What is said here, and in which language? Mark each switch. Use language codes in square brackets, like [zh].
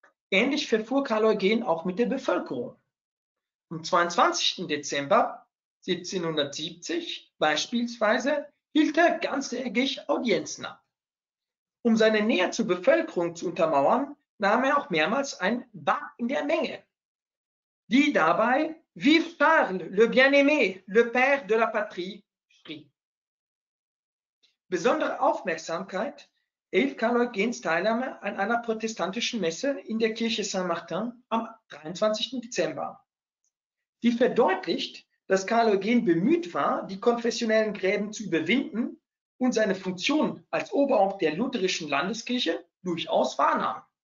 [de] Ähnlich verfuhr Karl Eugen auch mit der Bevölkerung. Am 22. Dezember 1770 beispielsweise hielt er ganztägig Audienzen ab. Um seine Nähe zur Bevölkerung zu untermauern, nahm er auch mehrmals ein Bad in der Menge. Die dabei [fr] Vive Charles, le bien-aimé, le père de la patrie, [de] schrie. Besondere Aufmerksamkeit erhielt Karl Eugens Teilnahme an einer protestantischen Messe in der Kirche Saint-Martin am 23. Dezember. Die verdeutlicht, dass Karl Eugen bemüht war, die konfessionellen Gräben zu überwinden und seine Funktion als Oberhaupt der lutherischen Landeskirche durchaus wahrnahm.